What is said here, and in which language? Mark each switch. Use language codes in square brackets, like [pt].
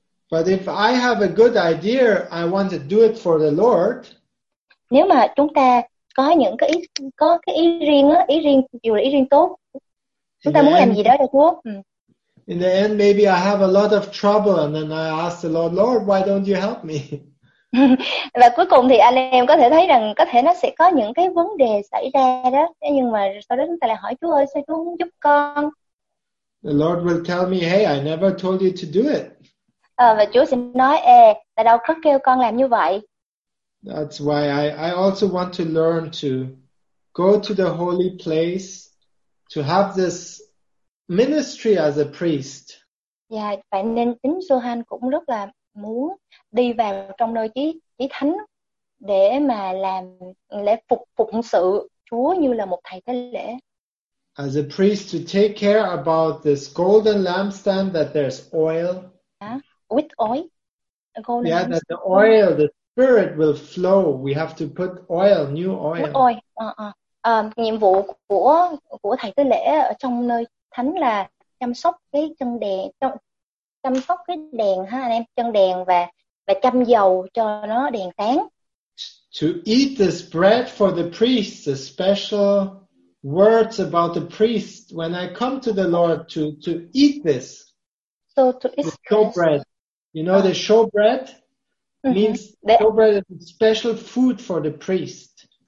[en] But if I have a good idea, I want to do it for the Lord. [vi] Nếu mà chúng ta có cái ý riêng tốt, chúng ta muốn làm gì đó cho Chúa. [en] In the end, maybe I have a lot of trouble, and then I ask the Lord, why don't you help me? [vi] Và cuối cùng thì anh em có thể thấy rằng có thể nó sẽ có những cái vấn đề xảy ra đó, nhưng mà sau đó chúng ta lại hỏi Chúa ơi, sao Chúa không giúp con? [en] The Lord will tell me, hey, I never told you to do it. [vi] Và Chúa sẽ nói, ta đâu có kêu con làm như vậy. [en] That's why I also want to learn to go to the holy place to have this ministry as a priest. [vi] Vậy nên chính Johan cũng rất là muốn đi vào trong nơi chí thánh để mà làm lễ phụng sự Chúa như là một thầy tế lễ. [en] As a priest to take care about this golden lampstand that there's oil. With oil? Yeah, that the oil, the Spirit will flow. We have to put oil, new oil. [vi] Nhiệm vụ của thầy tế lễ ở trong nơi thánh là chăm sóc cái chân đèn, chăm sóc cái đèn ha anh em, chân đèn và châm dầu cho nó đèn sáng. [en] To eat this bread for the priests, the special words about the priest. When I come to the Lord to eat this, so to eat the show bread, you know, the show bread means show bread is a special food for the priest.